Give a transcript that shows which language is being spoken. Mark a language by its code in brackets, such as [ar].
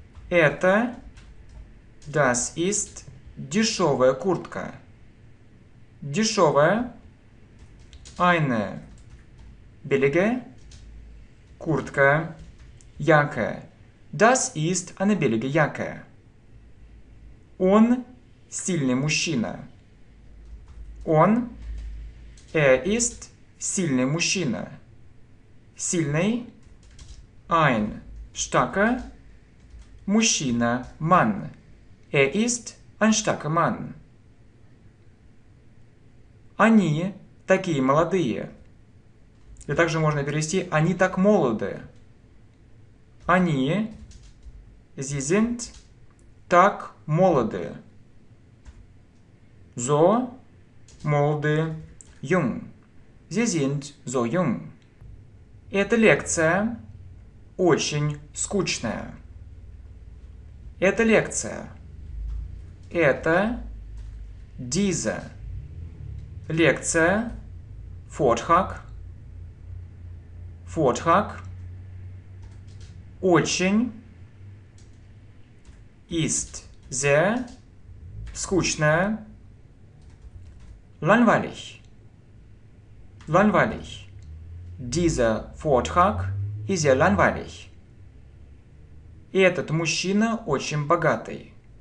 [ru] Это [de] das ist [ru] дешевая куртка. Дешевая [de] eine billige [ru] куртка [de] jacke. Das ist eine billige jacke. [ru] Он сильный мужчина. Он [de] ist [ru] сильный мужчина. Сильный [de] ein starker [ru] мужчина [de] man. Ist ein starker Mann. [ru] Они такие молодые. И также можно перевести они так молоды. Они [de] sie sind [ru] так молоды. [de] So [ru] молоды [de] jung. Sie sind so jung. [ru] Эта лекция очень скучная. Эта лекция. Это [de] diese. [ru] Лекция. [de] Vortrag. Vortrag. [ru] Очень. [de] Ist sehr. [ru] Скучная. [de] Langweilig. Langweilig. Dieser Vortrag ist sehr langweilig. [ru] Этот мужчина очень богатый.